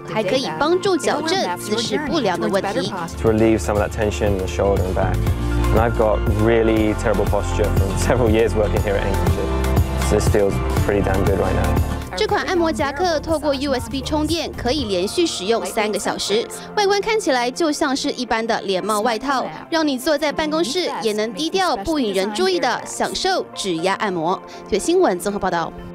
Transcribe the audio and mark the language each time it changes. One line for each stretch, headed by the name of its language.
Chinese: 夹克内建姿势追踪系统，透过感应器能随时记录使用者姿势变化。使用者可以从智慧手机查看有没有坐姿不良的情况，就能够及时做调整。业者声称，长期穿这款按摩夹克不但能够放松肌肉，还可以帮助矫正姿势不良的问题。
English: To relieve some of that tension in the shoulder and back, and I've got really terrible posture from several years working here at Anchorage. This feels pretty damn good right now.
Chinese: 这款按摩夹克透过 USB 充电，可以连续使用3个小时，外观看起来就像是一般的连帽外套，让你坐在办公室也能低调不引人注意的享受指压按摩。TVBS新闻综合报道。